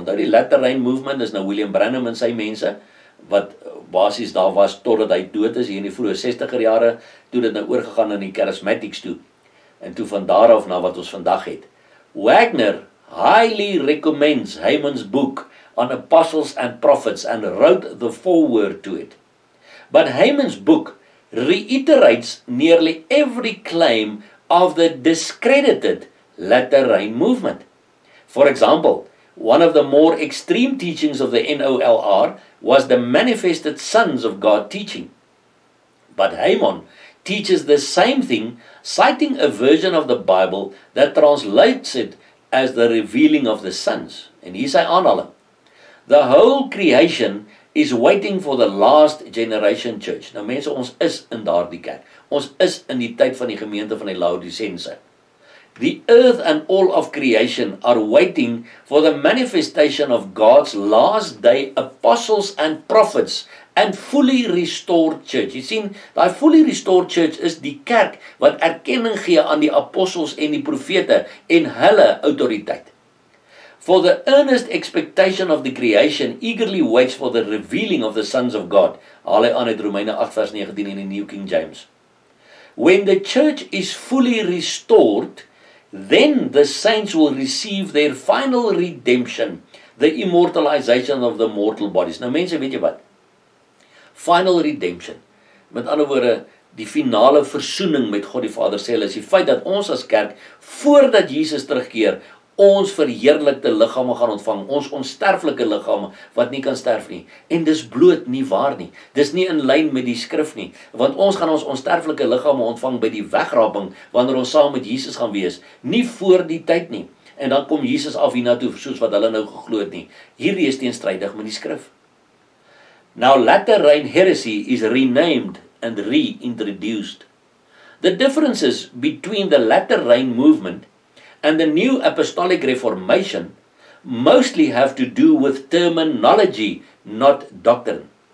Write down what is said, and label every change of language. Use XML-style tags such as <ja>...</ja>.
<af>Onthou die Latter Rain Movement is nou William Branham en sy mense, wat basis daar was totdat hy dood is hier in die vroeë 60er jare, toe dit nou oorgegaan in die Charismatics toe, en toe van daar af na wat ons vandag het.</af> <en>Wagner highly recommends Heyman's book on apostles and prophets and wrote the foreword to it. But Heyman's book reiterates nearly every claim of the discredited Latter Rain movement. For example, one of the more extreme teachings of the NOLR was the manifested sons of God teaching. But Heyman teaches the same thing, citing a version of the Bible that translates it as the revealing of the sons. And he say aanhaling, the whole creation is waiting for the last generation church.</en> <af>Nou mense, ons is in daardie kerk. Ons is in die tyd van die gemeente van die Laodiseense.</af> <en>The earth and all of creation are waiting for the manifestation of God's last day apostles and prophets and fully restored church.</en> <af>Jy sien, die fully restored church is die kerk wat erkenning gee aan die apostels en die profete en hulle autoriteit.</af> <en>For the earnest expectation of the creation eagerly waits for the revealing of the sons of God.</en> <af>Haal hy aan uit Romeine 8 vers 19 in die New King James.</af> <en>When the church is fully restored, then the saints will receive their final redemption, the immortalization of the mortal bodies.</en> <af>Nou mense, weet jy wat? Final redemption. Met ander woorde, die finale versoening met God die Vader sê hulle is die feit dat ons as kerk, voordat Jesus terugkeer, ons verheerlikte liggame gaan ontvang, ons onsterflike liggame wat nie kan sterf nie. En dis bloot nie waar nie. Dis nie in lyn met die skrif nie. Want ons gaan ons onsterflike liggame ontvang by die wegraping, wanneer ons saam met Jesus gaan wees. Nie voor die tyd nie. En dan kom Jesus af hiernatoe, soos wat hulle nou geglo het nie. Hierdie is teenstrydig met die skrif.</af> <en>Now, Latter Rain heresy is renamed and reintroduced. The differences between the Latter Rain movement and the New Apostolic Reformation mostly have to do with terminology, not doctrine.</en>